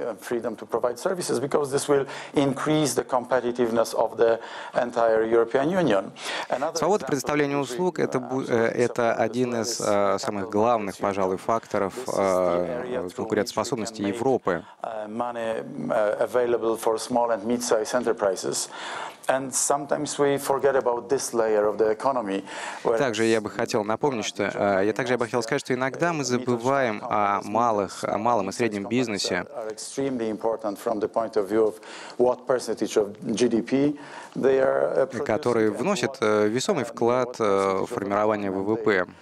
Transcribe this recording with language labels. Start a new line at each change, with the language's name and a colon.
Russian: Свобода предоставления услуг — это один из самых главных, пожалуй, факторов конкурентоспособности Европы.
English: Available for small and mid-sized enterprises. And sometimes we forget about this layer of the economy.
Russian: Также я бы хотел напомнить, что я бы хотел сказать, что иногда мы забываем о малых, о малом и среднем бизнесе.
English: Are extremely important from the point of view of what percentage of GDP they are producing.
Russian: Которые вносят весомый вклад в формирование ВВП.